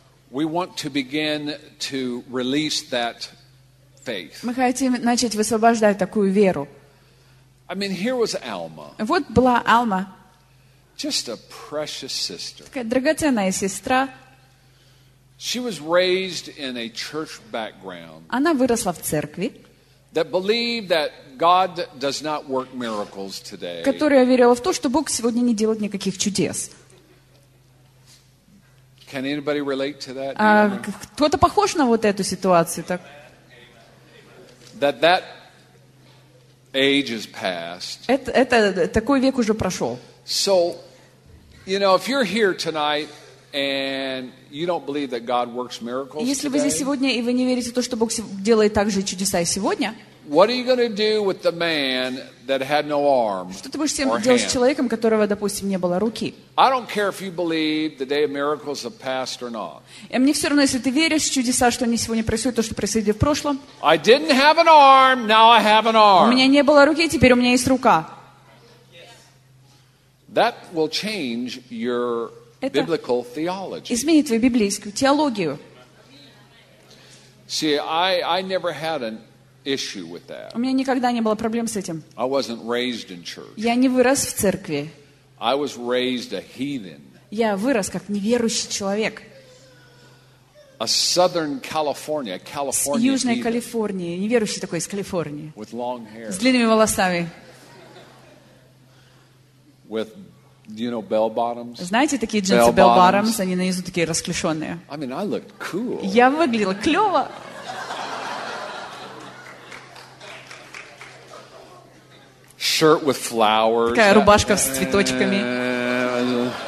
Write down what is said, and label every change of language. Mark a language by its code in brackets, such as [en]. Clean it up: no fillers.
[en] We want to begin to release that faith. [ru] Мы хотим начать высвобождать такую веру. [en] I mean, here was Alma. [ru] Вот была Алма. [en] Just a precious sister. [ru] Такая драгоценная сестра. [en] She was raised in a church background. [ru] Она выросла в церкви. [en] That believed that God does not work miracles today. [ru] Которая верила в то, что Бог сегодня не делает никаких чудес. [en] Can anybody relate to that? [ru] Кто-то похож на вот эту ситуацию, так? [en] That age is past. [ru] Это такой век уже прошел. [en] So, you know, if you're here tonight and you don't believe that God works miracles, [ru] если вы здесь сегодня и вы не верите в то, что Бог делает также чудеса и сегодня, [en] what are you going to do with the man that had no arm or hand? [ru] Что ты будешь делать с человеком, которого, допустим, не было руки? [en] I don't care if you believe the day of miracles have passed or not. [ru] И мне все равно, если ты веришь в чудеса, что они сегодня происходят, то, что происходит в прошлом. [en] I didn't have an arm, now I have an arm. [ru] У меня не было руки, теперь у меня есть рука. [en] That will change your biblical theology. [ru] Это изменит твою библейскую теологию. [en] See, I never had an issue with that. [ru] У меня никогда не было проблем с этим. [en] I wasn't raised in church. [ru] Я не вырос в церкви. [en] I was raised a heathen. [ru] Я вырос как неверующий человек. [en] A Southern California, California. [ru] С Южной Калифорнии, неверующий такой из Калифорнии. [en] With long hair. [ru] С длинными волосами. [en] With, you know, bell bottoms. [ru] Знаете такие джинсы [en] bell bottoms? [ru] Они наизу такие расклешенные. [en] I mean, I looked cool. [ru] Я выглядела клево. [en] Shirt with flowers. [ru] Такая рубашка с цветочками.